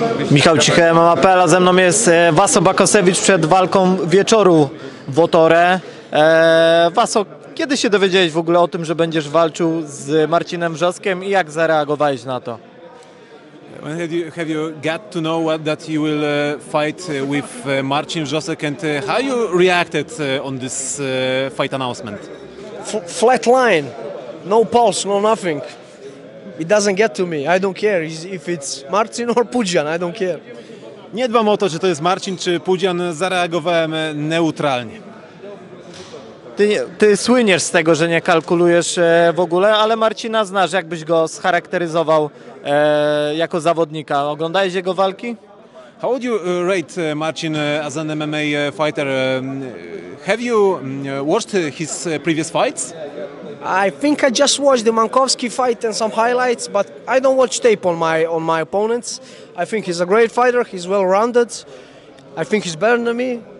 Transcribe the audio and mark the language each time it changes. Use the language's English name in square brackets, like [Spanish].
[Polish] Michał Cichy, MMAP, a ze mną jest Waso Bakosewicz przed walką wieczoru w Otore. Waso, kiedy się dowiedziałeś w ogóle o tym, że będziesz walczył z Marcinem Wrzoskiem i jak zareagowałeś na to? [English] When have you got to know that you will fight with Marcin Wrzosek and how you reacted on this fight announcement? Flat line, no pulse, no nothing. It doesn't get to me. I don't care if it's Marcin or Pudzian. I don't care. [Polish] Nie dbam o to, czy to jest Marcin, czy Pudzian. Zareagowałem neutralnie. Ty słyniesz z tego, że nie kalkulujesz w ogóle, ale Marcina znasz. Jakbyś go scharakteryzował jako zawodnika? Oglądałeś jego walki? [English] How would you rate Marcin as an MMA fighter? Have you watched his previous fights? I think I just watched the Mankowski fight and some highlights, but I don't watch tape on my opponents. I think he's a great fighter, he's well-rounded. I think he's better than me.